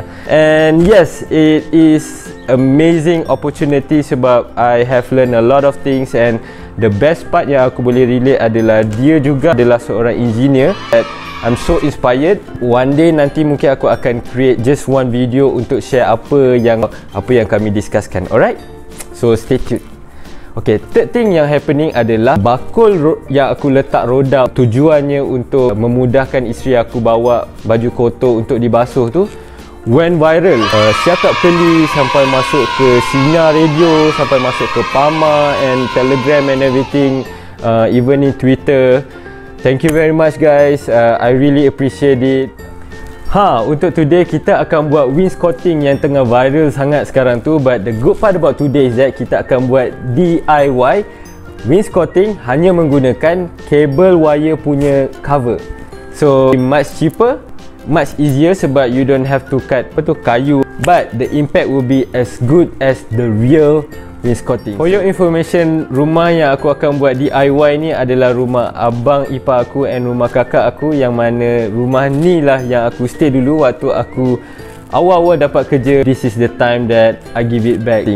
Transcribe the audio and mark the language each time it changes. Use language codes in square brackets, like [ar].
[en] And yes, it is amazing opportunity [ms] sebab [en] I have learned a lot of things. And the best part [ms] yang aku boleh relate adalah dia juga adalah seorang engineer. [en] That I'm so inspired. One day [ms] nanti mungkin aku akan [en] create just one video untuk share [ms] apa yang kami discusskan. [en] Alright, so stay tuned. Okay, third thing [ms] yang happening adalah bakul yang aku letak roda, tujuannya untuk memudahkan isteri aku bawa baju kotor untuk dibasuh tu, went viral. Siapa beli sampai masuk ke sinar radio, sampai masuk ke PAMA and Telegram [en] and everything, even in Twitter. Thank you very much guys, I really appreciate it. [ms] Ha, [en] untuk today [ms] kita akan buat wainscoting yang tengah viral sangat sekarang tu. [en] But the good part about today is that [ms] kita akan buat DIY wainscoting hanya menggunakan cable wire punya cover. [en] So much cheaper, much easier sebab you don't have to cut [ms] apa tu, kayu. [en] But the impact will be as good as the real wainscoting. For your information, [ms] rumah yang aku akan buat DIY ni adalah rumah abang ipar aku and rumah kakak aku, yang mana rumah ni lah yang aku stay dulu waktu aku awal-awal dapat kerja. [en] This is the time that I give it back.